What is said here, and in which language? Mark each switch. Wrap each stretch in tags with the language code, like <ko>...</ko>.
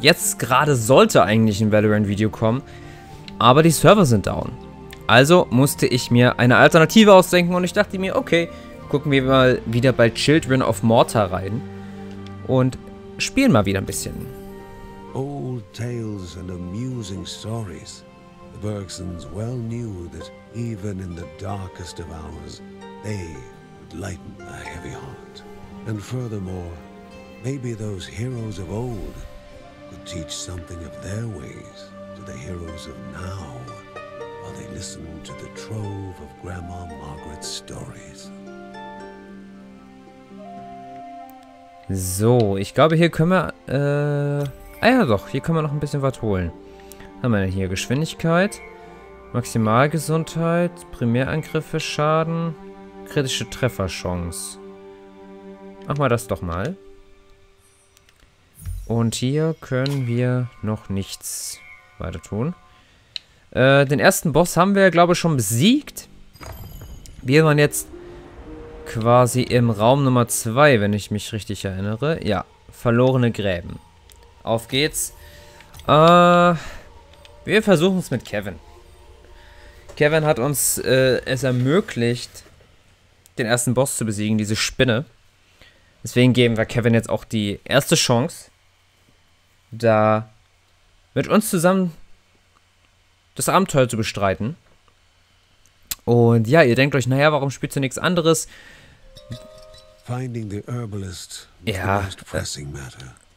<de>Jetzt gerade sollte eigentlich ein Valorant-Video kommen, aber die Server sind down. Also musste ich mir eine Alternative ausdenken und ich dachte mir, okay, gucken wir mal wieder bei Children of Morta rein und spielen mal wieder ein bisschen.</de> <en>Old tales and amusing stories. The Bergsons well knew that even in the darkest of hours, they would lighten a heavy heart. And furthermore, maybe those heroes of old could teach something of their ways to the heroes of now while they listen to the trove of Grandma Margaret's stories.</en> <de>So, ich glaube, hier können wir, ah ja doch, hier können wir noch ein bisschen was holen. Was haben wir denn hier? Geschwindigkeit, Maximalgesundheit, Primärangriffe, Schaden, kritische Trefferchance. Machen wir das doch mal. Und hier können wir noch nichts weiter tun. Den ersten Boss haben wir, glaube ich, schon besiegt. Wir waren jetzt quasi im Raum Nummer 2, wenn ich mich richtig erinnere. Ja, verlorene Gräben. Auf geht's. Wir versuchen es mit Kevin. Kevin hat uns es ermöglicht, den ersten Boss zu besiegen, diese Spinne. Deswegen geben wir Kevin jetzt auch die erste Chance, da mit uns zusammen das Abenteuer zu bestreiten. Und ja, ihr denkt euch, naja, warum spielst du nichts anderes?</de> <en>Finding the herbalist was the most pressing matter.</en>